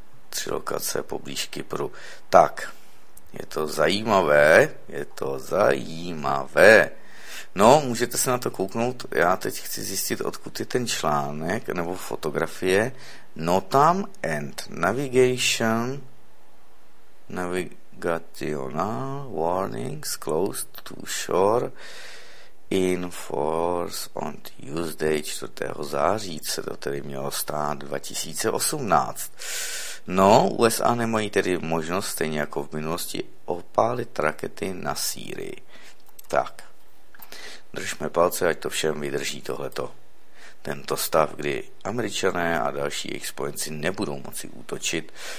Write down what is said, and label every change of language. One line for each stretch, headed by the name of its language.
Czech: Tři lokace poblíž Kypru. Tak, je to zajímavé, je to zajímavé. No, můžete se na to kouknout, já teď chci zjistit, odkud je ten článek nebo fotografie.
English: Notam and Navigation Navigational Warnings Closed to Shore in Force on Tuesday 4.
Czech: září, co to tedy mělo stát 2018. No, USA nemají tedy možnost stejně jako v minulosti opálit rakety na Sýrii. Tak, držme palce, ať to všem vydrží tohleto. Tento stav, kdy Američané a další jejich spojenci nebudou moci útočit.